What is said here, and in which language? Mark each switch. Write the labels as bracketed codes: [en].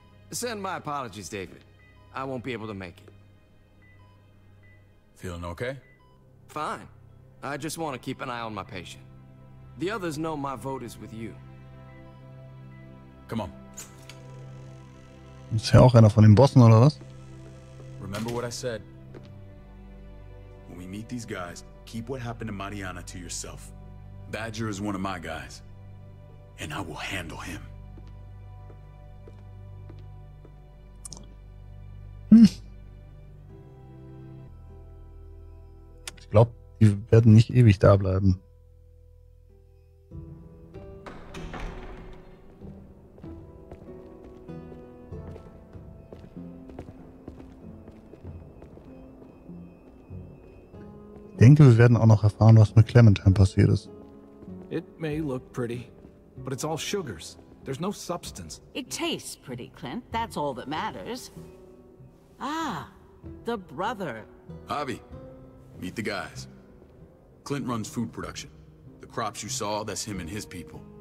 [en] Send my apologies, David. I won't be able to make it. Feeling okay? Fine. I just want to keep an eye on my patient. The others know my vote is with you. Come on. [de] Ist ja auch einer von den Bossen, oder was? [en] Remember what I said. When we meet these guys, keep what happened to Mariana to yourself. Badger is one of my guys, and I will handle him. [de] Ich glaube, die werden nicht ewig da bleiben. Ich denke, wir werden auch noch erfahren, was mit Clementine passiert ist. [en] It may look pretty, but it's all sugars. There's no substance. It tastes pretty, Clint. That's all that matters. Ah, the brother. Javi, meet the guys. Clint runs food production. The crops you saw, that's him and his people.